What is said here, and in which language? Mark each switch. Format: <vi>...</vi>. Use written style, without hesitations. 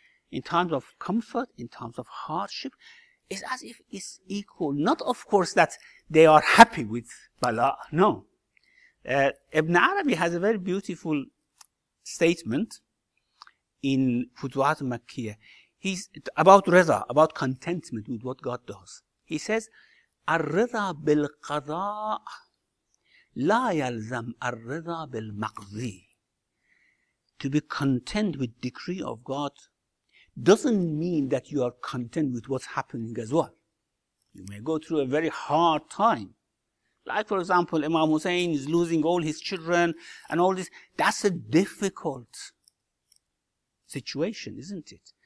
<en>In times of comfort, in times of hardship, it's as if it's equal. Not, of course, that they are happy with bala. No. Ibn Arabi has a very beautiful statement in Futuhat al-Makkiyah. He's about rida, about contentment with what God does. He says,</en> <ar>الرِّضَى بِالْقَضَىٰ لَا يَلْزَمْ الرِّضَى بِالْمَقْضِىٰ.</ar> <en>To be content with decree of God doesn't mean that you are content with what's happening as well. You may go through a very hard time. Like, for example, Imam Hussein is losing all his children and all this. That's a difficult situation, isn't it?</en>